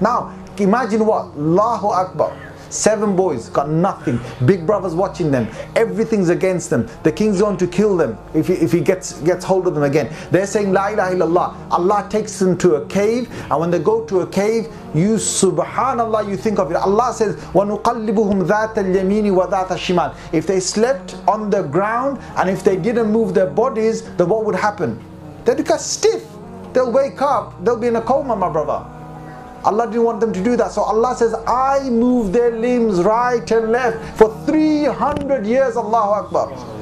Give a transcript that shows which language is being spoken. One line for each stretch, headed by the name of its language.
English: Now, imagine what? Allahu Akbar. Seven boys, got nothing. Big brothers watching them. Everything's against them. The king's going to kill them if he gets hold of them again. They're saying, La ilaha illallah. Allah takes them to a cave. And when they go to a cave, you, subhanallah, you think of it. Allah says,
Arabic: وَنُقَلِّبُهُمْ ذَاتَ الْيَمِينِ وَذَاتَ الشِّمَالِ.
English: If they slept on the ground and if they didn't move their bodies, then what would happen? They'd get stiff. They'll wake up. They'll be in a coma, my brother. Allah didn't want them to do that. So Allah says, I move their limbs right and left for 300 years, Allahu Akbar.